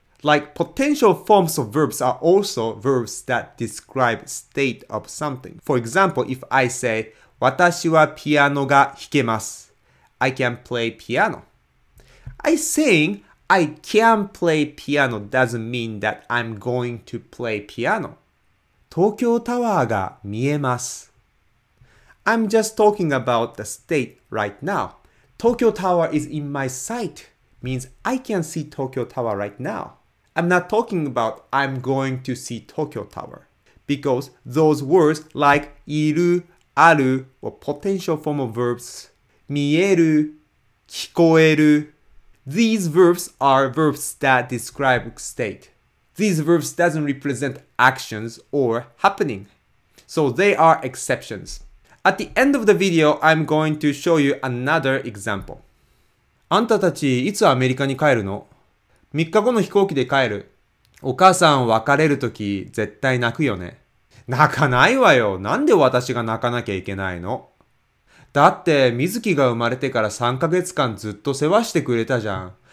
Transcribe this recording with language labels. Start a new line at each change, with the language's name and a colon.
English: Like potential forms of verbs are also verbs that describe state of something. For example, if I say
Japanese: 私はピアノが弾けます。
English: I can play piano. I saying I can play piano doesn't mean that I'm going to play piano.
Japanese: 東京タワーが見えます。
English: I'm just talking about the state right now. Tokyo Tower is in my sight means I can see Tokyo Tower right now. I'm not talking about I'm going to see Tokyo Tower. Because those words like いる、ある、or potential form of verbs,
Japanese: 見える、聞こえる、
English: these verbs are verbs that describe state. These verbs doesn't represent actions or happening. So they are exceptions. At the end of the video, I'm going to show you another example.
Japanese: あんたたちいつアメリカに帰るの?3日後の飛行機で帰る。お母さん別れるとき絶対泣くよね。泣かないわよ。なんで私が泣かなきゃいけないの? だって、水木が生まれてから3ヶ月間ずっと世話してくれたじゃん。